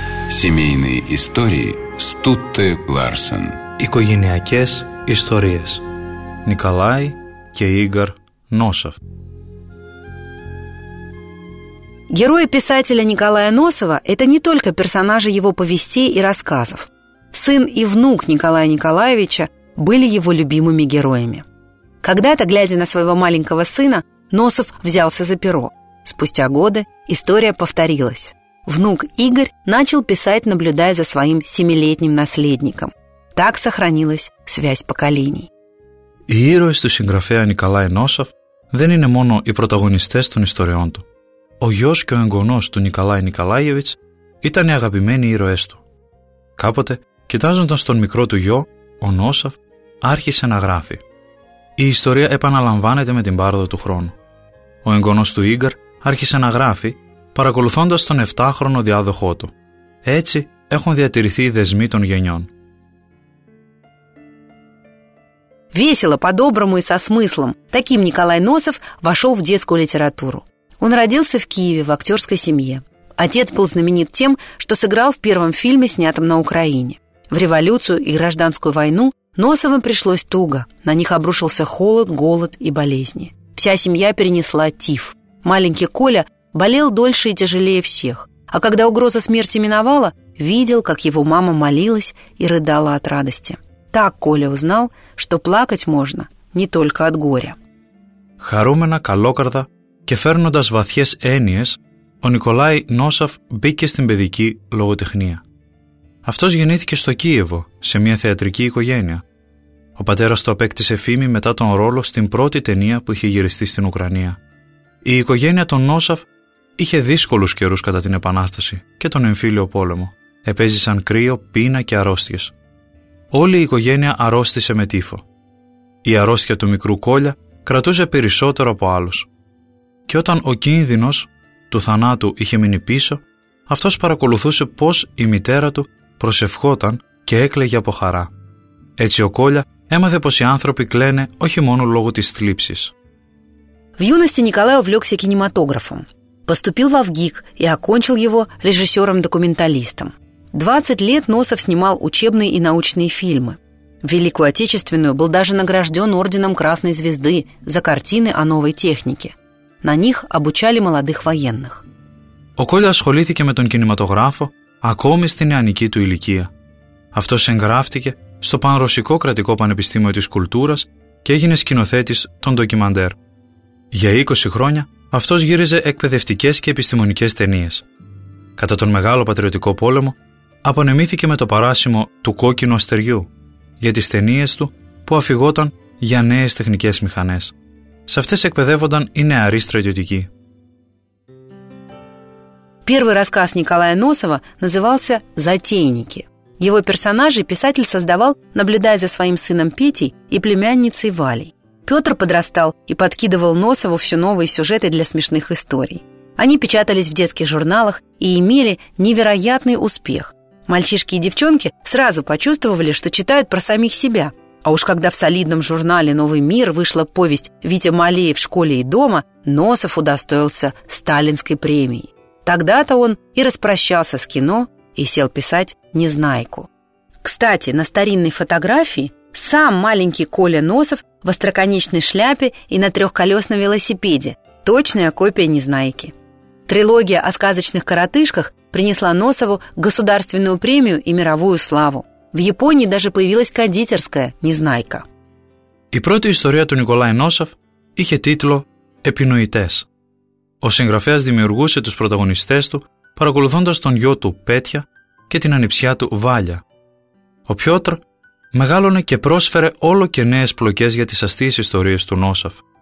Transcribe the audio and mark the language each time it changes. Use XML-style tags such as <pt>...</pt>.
<ru>Семейные истории Стутте Ларсен.</ru> <el>Οικογενειακές ιστορίες. Νικολάη και Ίγκορ Νόσοφ.</el> <ru>Герои писателя Николая Носова – это не только персонажи его повестей и рассказов. Сын и внук Николая Николаевича были его любимыми героями. Когда-то, глядя на своего маленького сына, Носов взялся за перо. Спустя годы история повторилась. Внук Игорь начал писать, наблюдая за своим семилетним наследником. Так сохранилась связь поколений.</ru> <el>Οι ήρωες του συγγραφέα Николая Носов δεν είναι μόνο οι πρωταγωνιστές των ιστοριών του. Ο γιος και ο εγγονός του Νικολάη Νικολάγεβιτς ήταν οι αγαπημένοι ήρωές του. Κάποτε, κοιτάζοντας τον μικρό του γιο, ο Νόσοφ άρχισε να γράφει. Η ιστορία επαναλαμβάνεται με την πάροδο του χρόνου. Ο εγγονός του Ίγκαρ άρχισε να γράφει, παρακολουθώντας τον 7χρονο διάδοχό του. Έτσι έχουν διατηρηθεί οι δεσμοί των γενιών.</el> <ru>Весело, по-доброму и со смыслом. Таким Николай Носов вошел в детскую литературу. Он родился в Киеве в актерской семье. Отец был знаменит тем, что сыграл в первом фильме, снятом на Украине. В революцию и гражданскую войну Носовым пришлось туго. На них обрушился холод, голод и болезни. Вся семья перенесла тиф. Маленький Коля болел дольше и тяжелее всех. А когда угроза смерти миновала, видел, как его мама молилась и рыдала от радости. Так Коля узнал, что плакать можно не только от горя.</ru> <el>Харумена Калокарда. Και φέρνοντας βαθιές έννοιες, ο Νικολάη Νόσοφ μπήκε στην παιδική λογοτεχνία. Αυτός γεννήθηκε στο Κίεβο, σε μια θεατρική οικογένεια. Ο πατέρας του απέκτησε φήμη μετά τον ρόλο στην πρώτη ταινία που είχε γυριστεί στην Ουκρανία. Η οικογένεια των Νόσοφ είχε δύσκολους καιρούς κατά την Επανάσταση και τον εμφύλιο πόλεμο. Επέζησαν κρύο, πείνα και αρρώστιες. Όλη η οικογένεια αρρώστησε με τύφο. Η αρρώστια του μικρού Κόλια κρατούσε περισσότερο από άλλους. Και όταν ο κίνδυνος του θανάτου είχε μείνει πίσω, αυτός παρακολουθούσε πώς η μητέρα του προσευχόταν και έκλαιγε από χαρά. Έτσι ο Κόλια έμαθε πως οι άνθρωποι κλαίνε όχι μόνο λόγω της θλίψης.</el> <ru>В юности Николай увлекся кинематографом. Поступил во ВГИК и окончил его режиссером-документалистом. 20 лет Носов снимал учебные и научные фильмы. В Великую Отечественную был даже награжден орденом Красной Звезды за картины о новой технике. На них обучали молодых военных.</ru> <el>Ο Κόλια ασχολήθηκε με τον κινηματογράφο ακόμη στην νεανική του ηλικία. Αυτός εγγράφτηκε στο Πανρωσικό Κρατικό Πανεπιστήμιο της Κουλτούρας και έγινε σκηνοθέτης των ντοκιμαντέρ. Για 20 χρόνια αυτός γύριζε εκπαιδευτικές και επιστημονικές ταινίες. Κατά τον Μεγάλο Πατριωτικό Πόλεμο απονεμήθηκε με το παράσημο του Κόκκινου Αστεριού για τις ταινίες του που αφηγόταν για νέες τεχνικές μηχανές. Σε αυτές εκπαιδεύονταν οι νεαροί στρατιωτικοί.</el> <ru>Первый рассказ Николая Носова назывался «Затейники». Его персонажей писатель создавал, наблюдая за своим сыном Петей и племянницей Валей. Петр подрастал и подкидывал Носову все новые сюжеты для смешных историй. Они печатались в детских журналах и имели невероятный успех. Мальчишки и девчонки сразу почувствовали, что читают про самих себя. А уж когда в солидном журнале «Новый мир» вышла повесть «Витя Малеев в школе и дома», Носов удостоился сталинской премии. Тогда-то он и распрощался с кино и сел писать «Незнайку». Кстати, на старинной фотографии сам маленький Коля Носов в остроконечной шляпе и на трехколесном велосипеде – точная копия «Незнайки». Трилогия о сказочных коротышках принесла Носову государственную премию и мировую славу. В Японии даже появилась кондитерская «Незнайка».</ru> <el>Η πρώτη ιστορία του Νικολάη Νόσαφ είχε τίτλο «Επινοητές». Ο συγγραφέας δημιουργούσε τους πρωταγωνιστές του παρακολουθώντας τον γιο του Πέτια και την ανιψιά του Βάλια. Ο Πιότρ μεγάλωνε και πρόσφερε όλο και νέες πλοκές για τις αστείες ιστορίες του Νόσαφ.</el>